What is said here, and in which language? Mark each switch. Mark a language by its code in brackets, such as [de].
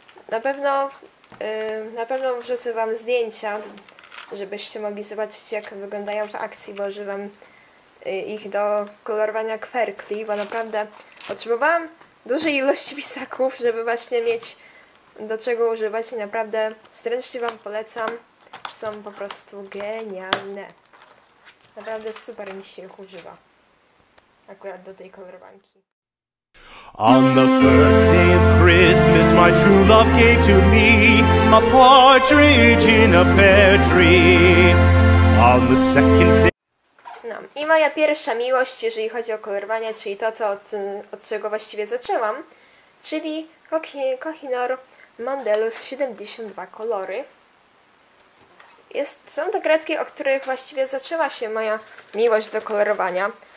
[pl] Na pewno wrzucę Wam zdjęcia, żebyście mogli zobaczyć, jak wyglądają w akcji, bo używam ich do kolorowania kwerkli, bo naprawdę potrzebowałam dużej ilości pisaków, żeby właśnie mieć do czego używać i naprawdę serdecznie Wam polecam. Są po prostu genialne. Naprawdę super mi się ich używa. Akurat do tej kolorowanki. [en] On the first day of Christmas my true love gave to me a partridge in a pear tree. On the second day. [pl] No i moja pierwsza miłość, jeżeli chodzi o kolorowanie, czyli to, co od czego właściwie zaczęłam, czyli Kohinoor Mondelus 72 kolory. Są to kredki, o których właściwie zaczęła się moja miłość do kolorowania.